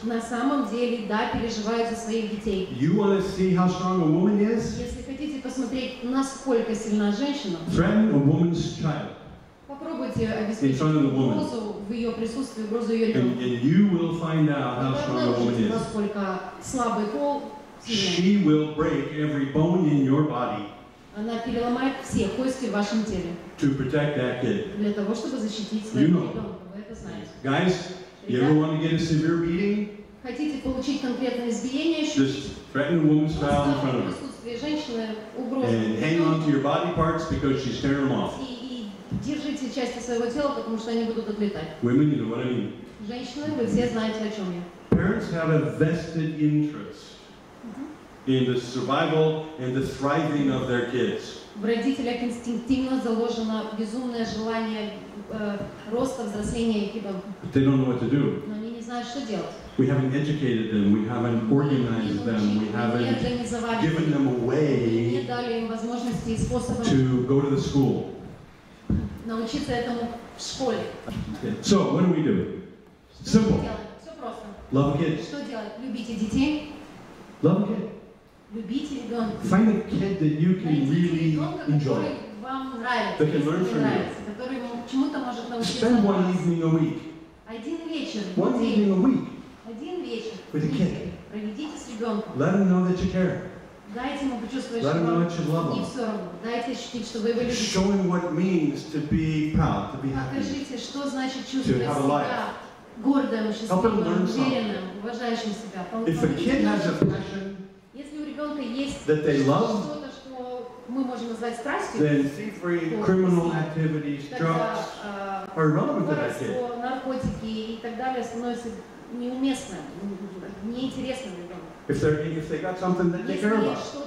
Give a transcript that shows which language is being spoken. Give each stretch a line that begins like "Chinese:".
Russian: На самом деле, да, переживают за своих детей.
English: You want to see how strong a woman is?
Russian: Если хотите посмотреть, насколько сильна женщина,
English: threaten a woman's child.
Russian: Попробуйте обеспечить угрозу в ее присутствии, угрозу ее ребенка.
English: And you will find out how strong a woman is.
Russian: Насколько слабый пол.
English: She will break every bone in your body.
Russian: Она переломает все кости в вашем теле.
English: To protect that kid.
Russian: Для того, чтобы защитить своего ребенка.
English: Guys, you ever want to get a severe beating?
Russian: Хотите получить конкретное избиение?
English: Just threaten a woman's child in front of her.
Russian: Женщина,
English: and hang on to your body parts because she's tearing them off.
Russian: И держите части своего тела, потому что они будут отлетать.
English: Women, you know what I mean.
Russian: Женщины, вы все знаете, о чем я.
English: Parents have a vested interest in the survival and the thriving of their kids.
Russian: В родителях инстинктивно заложено безумное желание роста, взросления их ребенка.
English: But they don't know what to do.
Russian: Но они не знают, что делать.
English: We haven't educated them, we haven't organized them, we haven't given them a way to go to the school.
Russian: Научиться этому в школе.
English: Okay. So, what do we do?
Russian: Что
English: simple.
Russian: Все просто.
English: Love kids.
Russian: Что делать? Любите детей.
English: Love kids.
Russian: Любите ребенка.
English: Find a kid that you can really enjoy.
Russian: Вам нравится,
English: that can learn from you.
Russian: Чему-то может научиться.
English: Spend one evening a week.
Russian: Один вечер.
English: One evening a week.
Russian: Один вечер.
English: With a kid.
Russian: Проведите с ребенком.
English: Let him know that you care.
Russian: Дайте ему почувствовать,
English: let him know that you love him.
Russian: И все равно. Дайте ощутить, что вы его любите. Show him what it means to be proud, to be happy. Покажите, что значит чувствовать себя.
English: To have a life.
Russian: Гордым, счастливым, уверенным, уважающим себя.
English: If a kid has a passion,
Russian: если у ребенка есть
English: that they love,
Russian: что-то, что мы можем назвать страстью,
English: then thievery, criminal activities, drugs, are irrelevant to that kid.
Russian: Наркотики и так далее становятся неуместным, неинтересным ребенком.
English: If they got something that they care about.